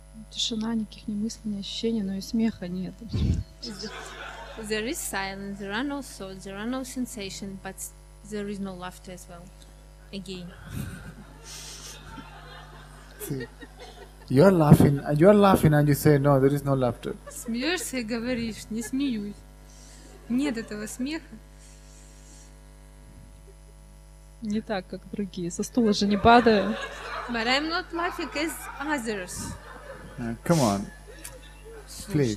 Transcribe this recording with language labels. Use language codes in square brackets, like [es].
[ru] Тишина, никаких ни мыслей, ни ощущений, но и смеха нет. [en] There is silence, there are no thoughts, there are no sensations, but there is no laughter as well. Again. You are laughing, and you say, no, there is no laughter. [ru] Смеешься и говоришь, не смеюсь. Нет этого смеха. Не так, как другие. Со стула же не падаю. [en] But I'm not laughing as others. Come on. [ru] Слушай,